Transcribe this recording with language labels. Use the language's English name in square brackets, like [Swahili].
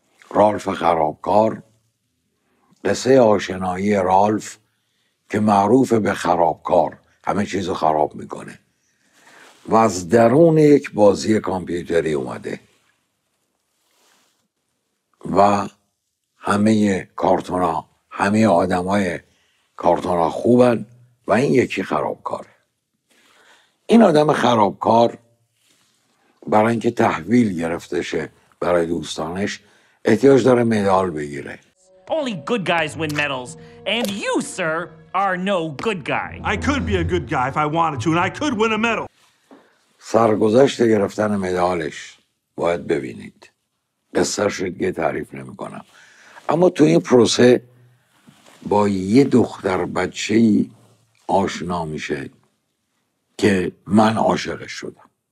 [Persian] رالف خرابکار، قصه آشنایی رالف که معروف به خرابکار، همه چیزو خراب میکنه و از درون یک بازی کامپیوتری اومده و همه کارتونا، همه آدمای کارتونا خوبن و این یکی خرابکاره. این آدم خرابکار برای اینکه تحویل گرفته شه برای دوستانش احتیاج داره مدال بگیره. [English] Only good guys win medals and you sir are no good guy. I could be a good guy if I wanted to and I could win a medal. [Persian] سرگذشت گرفتن مدالش باید ببینید. قصه‌اش رو دیگه تعریف نمی‌کنم. اما تو این پروسه با یه دختر بچه‌ای آشنا میشه که من عاشقش شدم.